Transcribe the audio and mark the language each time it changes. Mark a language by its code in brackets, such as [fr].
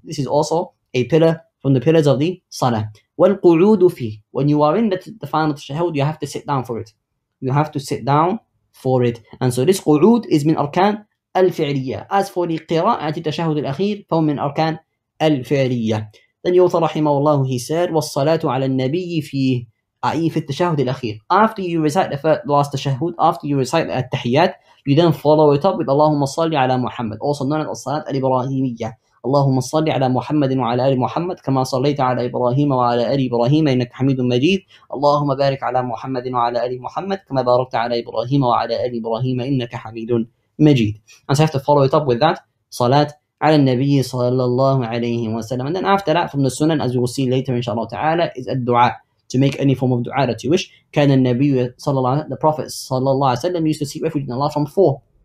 [en] This is also a pillar from the pillars of the salah. [ar] Wal-qu'udu fi, [en] when you are in the final tashahud, you have to sit down for it. You have to sit down for it. And so this qu'ud is min arkan al-fi'liyya. As for the qira'ati tashahud al-akhir, [ar] fawm min arkan الفعلية. [en] Then the author rahimahullah, he said, [ar] والصلاة على النبي في أي في التشهد الأخير. [en] After you recite the last تشهد, after you recite the التحيات, you then follow it up with [ar] اللهم صل على محمد, [en] also known as الصلاة الإبراهيمية. [ar] اللهم صل على محمد وعلى آل محمد كما صليت على إبراهيم وعلى آل إبراهيم إنك حميد مجيد. اللهم بارك على محمد وعلى آل محمد كما باركت على إبراهيم وعلى آل إبراهيم إنك حميد مجيد. [en] And so I have to follow it up with that salat على النبي صلى الله عليه وسلم. And then after that, from the sunan, as we will see later [ar] إن شاء الله تعالى, [en] is a dua, to make any form of dua that you wish. [ar] كان النبي صلى الله عليه وسلم, [en] the Prophet صلى الله عليه وسلم, used to seek refuge in Allah from four.